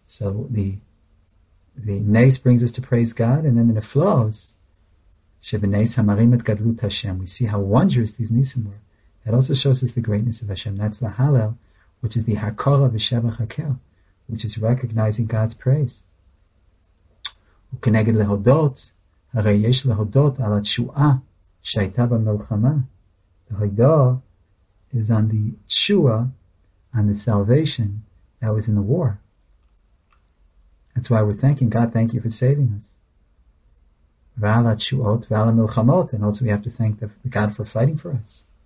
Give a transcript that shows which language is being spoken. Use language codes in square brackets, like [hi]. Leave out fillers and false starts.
[en] So the Nes brings us to praise God, and then the Neflos, Shevenes Hamarim Et Gadlut Hashem. We see how wondrous these Nisim were. That also shows us the greatness of Hashem. That's the Halel, which is the Hakara B'Shevach HaKel, which is recognizing God's praise. [he] וכנגד להודות, הרי יש להודות על התשועה שהייתה במלחמה. [en] The Hodah is on the tshua on the salvation that was in the war. That's why we're thanking God, thank you for saving us. And also we have to thank the God for fighting for us.